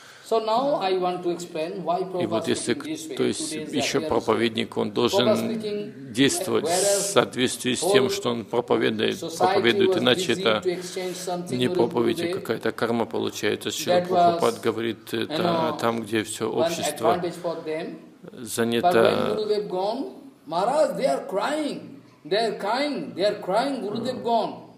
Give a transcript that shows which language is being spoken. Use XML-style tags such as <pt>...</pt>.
<en>So now I want to explain why Prabhupada is speaking this way.</en> <ru>То есть еще проповедник, он должен действовать в соответствии с тем, что он проповедует, иначе это не проповедь, а какая-то карма получается. Шрила Прабхупада говорит, это там, где все общество занято.</ru> <en>Maharaj, they are crying. They are crying. They are crying. Gurudev gone.</en>